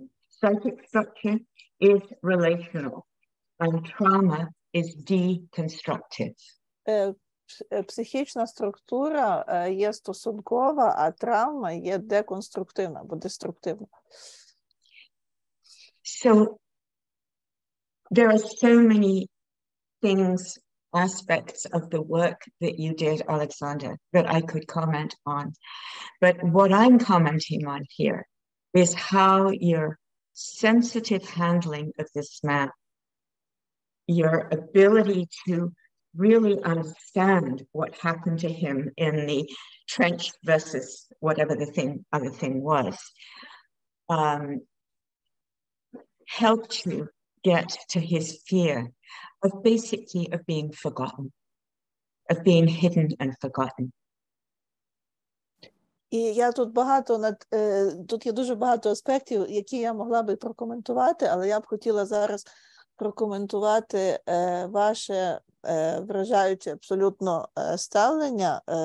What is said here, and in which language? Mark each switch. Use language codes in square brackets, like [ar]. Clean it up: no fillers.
[en] Psychic structure is relational, and trauma is deconstructive. [uk] Психічна структура є стосункова, а травма є деконструктивна або деструктивна. [en] So there are so many things, aspects of the work that you did, Oleksandr, that I could comment on. But what I'm commenting on here is how your sensitive handling of this man, your ability to really understand what happened to him in the trench versus whatever the thing, other thing was, helped you get to his fear of basically of being forgotten, of being hidden and forgotten. [uk] І я тут багато над тут є дуже багато аспектів, які я могла би прокоментувати, але я б хотіла зараз прокоментувати ваше вражаюче абсолютно ставлення